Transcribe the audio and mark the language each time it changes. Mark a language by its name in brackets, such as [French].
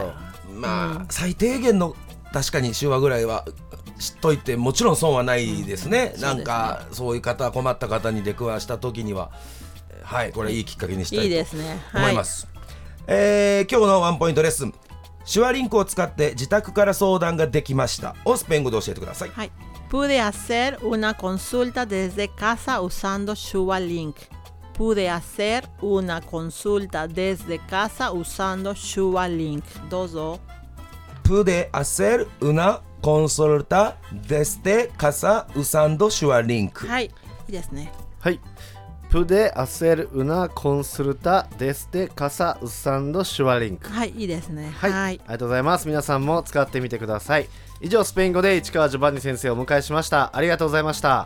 [Japanese] はい、まあ、最低限の確かに手話ぐらいは知っといてもちろん損はないです ね、うん、ですね。なんかそういう方、困った方に出くわした時には、はい、これいいきっかけにしたいと思います。いいですね、はい。今日のワンポイントレッスン、手話リンクを使って自宅から相談ができましたをスペイン語で教えてください。 [Spanish] はい、pude hacer una consulta desde casa usando 手話リンク。 pude hacer una consulta desde casa usando 手話リンク。 [Japanese] どうぞ。 [Spanish] pude hacer unaコンソルタですてカサウサンドシュワリンク。 [Japanese] はい、いいですね。 [Spanish] はい、プデアセルウナコンソルタですてカサウサンドシュワリンク。 [Japanese] はい、いいですね、はい、はい、ありがとうございます。皆さんも使ってみてください。以上、スペイン語で市川ジョバンニ先生をお迎えしました。ありがとうございました。